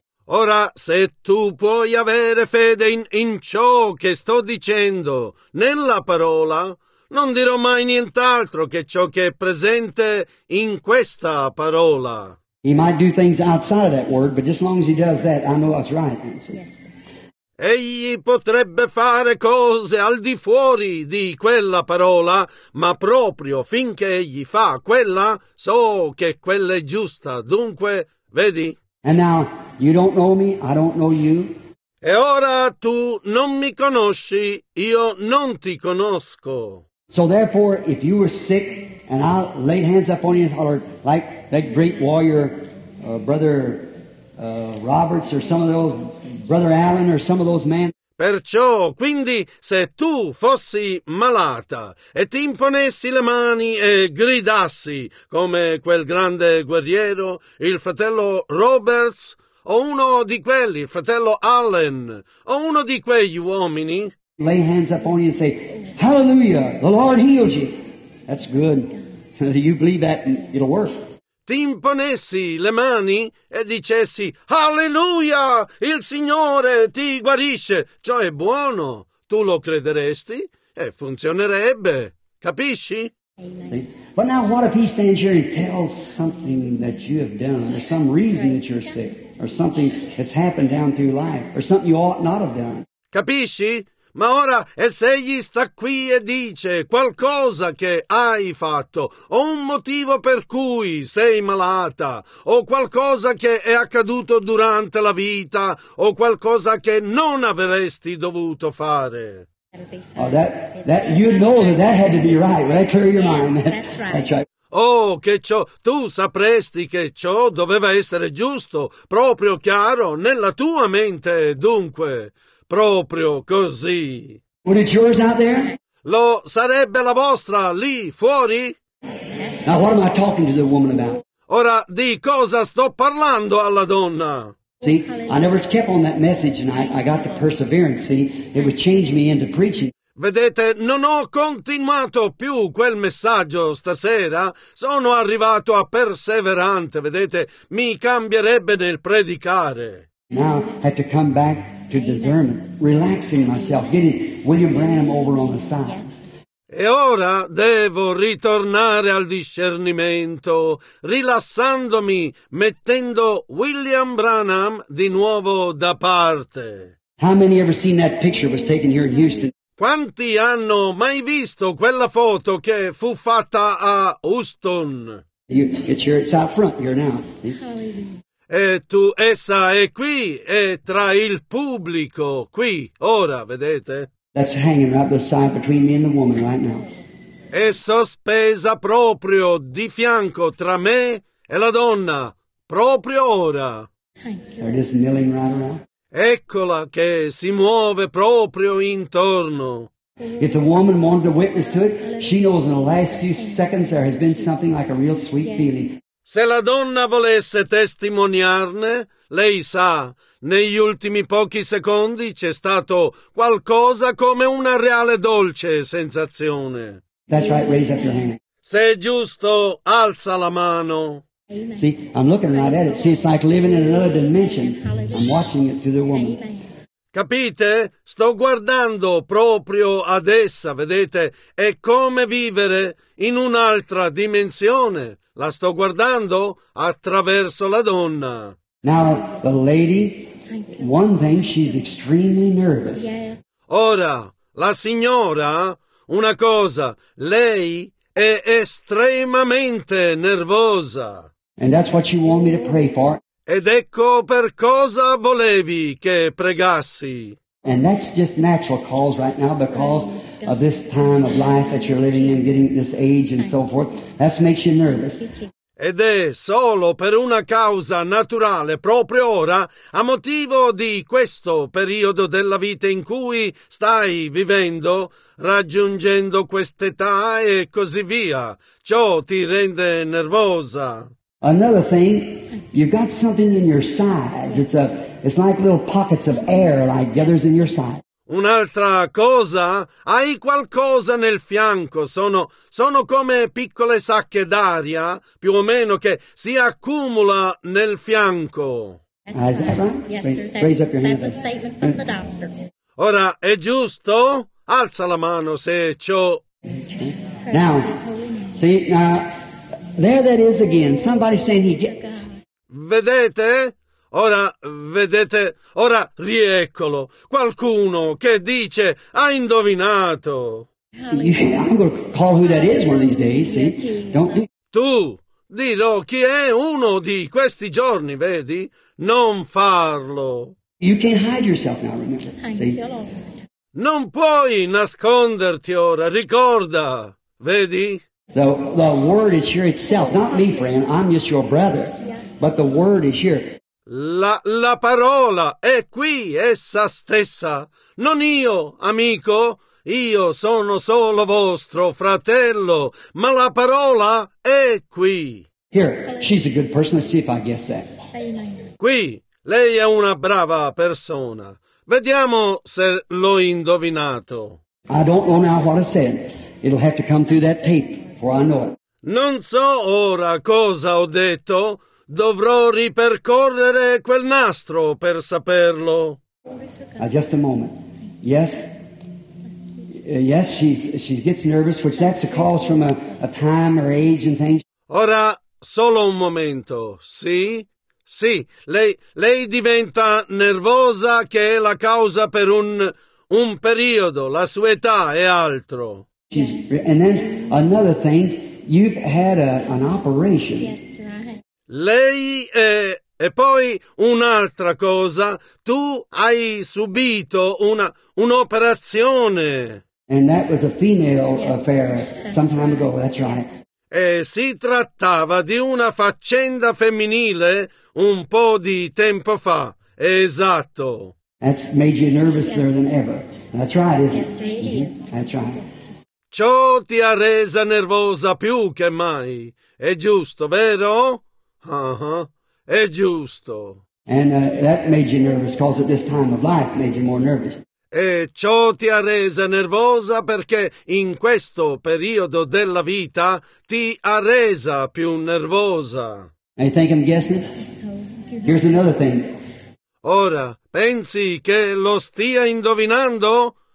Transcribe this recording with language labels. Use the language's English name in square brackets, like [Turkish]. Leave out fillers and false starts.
[Italian] Ora, se tu puoi avere fede in ciò che sto dicendo, nella parola, non dirò mai nient'altro che ciò che è presente in questa parola. [English] He might do things outside of that word, but just as long as he does that, I know that's right. Yes. [Italian] Egli potrebbe fare cose al di fuori di quella parola, ma proprio finché egli fa quella, so che quella è giusta. Dunque, vedi? [English] And now, you don't know me, I don't know you. [Italian] E ora tu non mi conosci, io non ti conosco. [English] So therefore, if you were sick, and I laid hands up on you, or like that great warrior, Brother Roberts, or some of those, Brother Allen, or some of those men. [Italian] Perciò, quindi, se tu fossi malata, e ti imponessi le mani e gridassi, come quel grande guerriero, il fratello Roberts, o uno di quelli, il fratello Allen, o uno di quegli uomini. [English] Lay hands up on you and say, Hallelujah, the Lord heals you. That's good. You believe that and it'll work. [Italian] Ti imponessi le mani e dicessi, Alleluia, il Signore ti guarisce. Ciò è buono. Tu lo crederesti e funzionerebbe. Capisci? Amen. [English] But now what if he stands here and tells something that you have done, or some reason that you're sick, or something that's happened down through life, or something you ought not have done? [Italian] Capisci? Ma ora, e se egli sta qui e dice qualcosa che hai fatto, o un motivo per cui sei malata, o qualcosa che è accaduto durante la vita, o qualcosa che non avresti dovuto fare. [English] Oh, that you know that had to be right, right? Clear your mind. That's right. [Italian] Oh, che ciò, tu sapresti che ciò doveva essere giusto, proprio chiaro, nella tua mente, dunque. Proprio così. [English] Would it yours out there? [Italian] Lo sarebbe la vostra lì fuori? [English] Now what am I talking to the woman about? [Italian] Ora di cosa sto parlando alla donna? [English] See, I never kept on that message tonight. I got the perseverance. See, it would change me into preaching. [Italian] Vedete, non ho continuato più quel messaggio stasera, sono arrivato a perseverante, vedete, mi cambierebbe nel predicare. [English] Now I had to come back to discernment, relaxing myself, getting William Branham over on the side. [Italian] E ora devo ritornare al discernimento, rilassandomi, mettendo William Branham di nuovo da parte. [English] How many ever seen that picture was taken here in Houston? [Italian] Quanti hanno mai visto quella foto che fu fatta a Houston? [English] It's out front here now. [Italian] Essa è qui, è tra il pubblico, qui, ora, vedete? [English] That's hanging right beside between me and the woman right now. [Italian] È sospesa proprio di fianco tra me e la donna, proprio ora. [English] They're just kneeling right around. [Italian] Eccola che si muove proprio intorno. [English] If the woman wanted to witness to it, she knows in the last few seconds there has been something like a real sweet feeling. [Italian] Se la donna volesse testimoniarne, lei sa, negli ultimi pochi secondi c'è stato qualcosa come una reale dolce sensazione. [English] That's right, raise up your hand. [Italian] Se è giusto, alza la mano. [English] See, I'm looking right at it. See, it's like living in another dimension. I'm watching it through the woman. [Italian] Capite? Sto guardando proprio ad essa, vedete? È come vivere in un'altra dimensione. La sto guardando attraverso la donna. [English] Now, the lady, one thing, she's extremely nervous. [Italian] Ora, la signora, una cosa, lei è estremamente nervosa. [English] And that's what you want me to pray for. [Italian] Ed ecco per cosa volevi che pregassi. [English] And that's just natural cause right now because of this time of life that you're living in, getting this age and so forth. That makes you nervous. [Italian] Ed è solo per una causa naturale, proprio ora, a motivo di questo periodo della vita in cui stai vivendo, raggiungendo quest'età e così via. Ciò ti rende nervosa. [English] Another thing, you've got something in your sides. It's like little pockets of air like gathers in your side. [Italian] Un'altra cosa, hai qualcosa nel fianco. Sono come piccole sacche d'aria, più o meno, che si accumula nel fianco. [English] Is that right? Yes, sir. Raise up your hand. That's a statement from the doctor. [Italian] Ora, è giusto? Alza la mano se ciò... [English] Now, see, now... There that is again. Somebody saying he get... [Italian] Vedete? Ora, vedete? Ora, rieccolo. Qualcuno che dice, ha indovinato. [English] Yeah, I'm going to call who that is one of these days, see? Don't do... [Italian] Tu, dirò chi è uno di questi giorni, vedi? Non farlo. [English] You can't hide yourself now, remember? See? [Italian] Non puoi nasconderti ora, ricorda, vedi? [English] The word is here itself, not me, friend. I'm just your brother, but the word is here. [Italian] La parola è qui, essa stessa. Non io, amico. Io sono solo vostro fratello, ma la parola è qui. [English] Here, she's a good person. Let's see if I guess that. [Italian] Qui, lei è una brava persona. Vediamo se l'ho indovinato. [English] I don't know now what I said. It'll have to come through that tape. [Italian] Non so ora cosa ho detto. Dovrò ripercorrere quel nastro per saperlo. [English] Just a moment. Yes. Yes, she gets nervous, which that's a cause from a time or age and things. [Italian] Ora, solo un momento. Sì? Sì, lei diventa nervosa che è la causa per un periodo, la sua età e altro. [English] And then another thing, you've had an operation. Yes, sir, I have. [Italian] Lei e poi un'altra cosa, tu hai subito un'operazione. [English] And that was a female affair some time ago, that's right. [Italian] E si trattava di una faccenda femminile un po' di tempo fa, esatto. [English] That's made you nervouser than ever. That's right, isn't it? Yes, sir, it is. That's right. [Italian] Ciò ti ha resa nervosa più che mai. È giusto, vero? È giusto. [English] And that made you nervous, 'cause at this time of life made you more nervous. [Italian] E ciò ti ha resa nervosa perché in questo periodo della vita ti ha resa più nervosa. [English] I think I'm guessing. Here's another thing. [Italian] Ora, pensi che lo stia indovinando?